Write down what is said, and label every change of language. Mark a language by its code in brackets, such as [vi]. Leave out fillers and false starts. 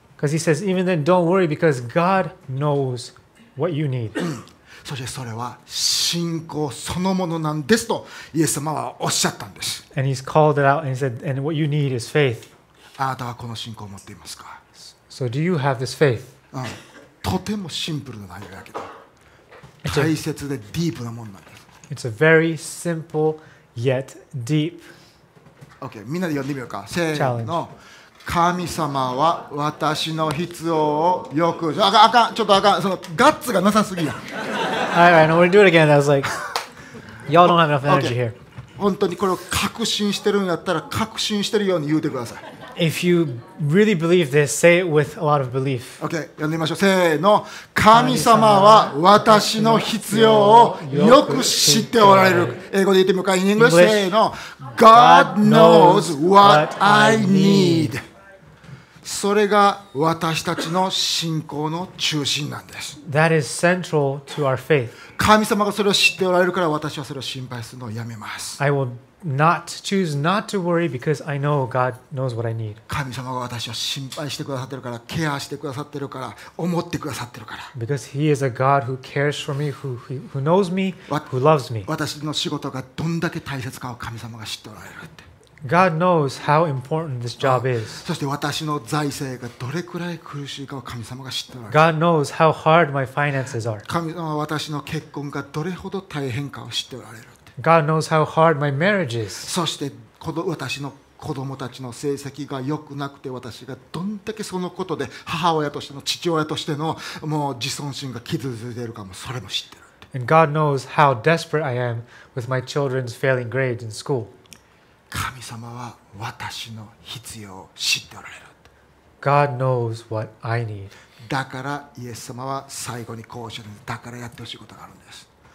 [en] Because he says, even then, don't worry because God knows what you need. [ja] そしてそれは信仰そのものなんですとイエス様はおっしゃったんです。 [en] And he's called it out and he said, and what you need is faith. [ja] あなたはこの信仰を持っていますか? [en] So do you have this faith? [ja] とてもシンプルな内容だけど大切でディープなものなんです [en] It's a very simple yet deep [ja] OK みんなで読んでみようかせーの神様は私の必要をよくあかんちょっとあかんそのガッツがなさすぎや [en] All right, we'll do it again. I was like, y'all don't have enough energy here. [ja] 本当にこれを確信してるんだったら確信してるように言うてください。 [en] If you really believe this, say it with a lot of belief. [ja] OK, 読んでみましょう。せーの。神様は私の必要をよく知っておられる。英語で言ってみようか。 [en] In English, [ja] せーの。 [en] God knows what I need. [ja] それが私たちの信仰の中心なんです。 [en] That is central to our faith. [ja] 神様がそれを知っておられるから私はそれを心配するのをやめます。 [en] I will... Not choose not to worry because I know God knows what I need. [ja] 神様が私を心配してくださってるから、ケアしてくださってるから、思ってくださってるから。 [en] Because He is a God who cares for me, who knows me, who loves me. [ja] 私の仕事がどんだけ大切かを神様が知っておられるって。 [en] God knows how important this job is. [ja] そして私の財政がどれくらい苦しいかを神様が知っておられる。 [en] God knows how hard my finances are. [ja] 神様は私の結婚がどれほど大変かを知っておられる。 [en] God knows how hard my marriage is. [ja] そして私の子供たちの成績が良くなくて私がどんだけそのことで母親としての父親としてのもう自尊心が傷ついているかもそれも知ってる。 [en] And God knows how desperate I am with my children's failing grades in school. [ja] 神様は私の必要を知っておられる。 [en] God knows what I need. [ja] だからイエス様は最後にこうおっしゃるんです。だからやってほしいことがあるんです。